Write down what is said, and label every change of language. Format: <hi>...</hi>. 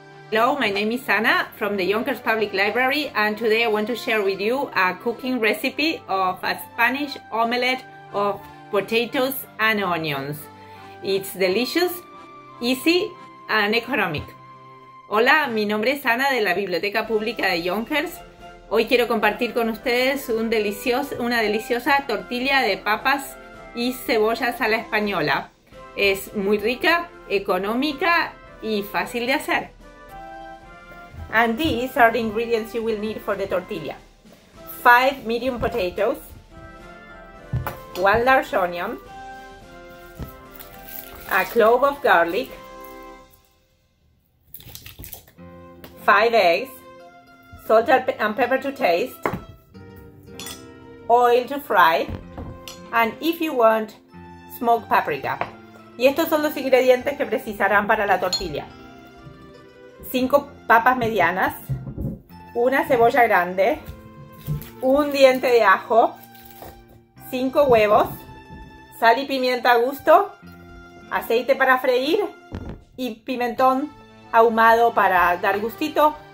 <en>Hello, my name is Anna from the Yonkers Public Library, and today I want to share with you a cooking recipe of a Spanish omelette of potatoes and onions. It's delicious, easy, and economic.</en> <es>Hola, mi nombre es Ana de la Biblioteca Pública de Yonkers. Hoy quiero compartir con ustedes una deliciosa tortilla de papas y cebollas a la española. Es muy rica, económica y fácil de hacer.</es> <en>And these are the ingredients you will need for the tortilla. 5 medium potatoes, 1 large onion, a clove of garlic, 5 eggs, salt and pepper to taste, oil to fry, and if you want, smoked paprika.</en> <es>Y estos son los ingredientes que precisarán para la tortilla. 5 papas medianas, una cebolla grande, un diente de ajo, 5 huevos, sal y pimienta a gusto, aceite para freír y pimentón ahumado para dar gustito.</es>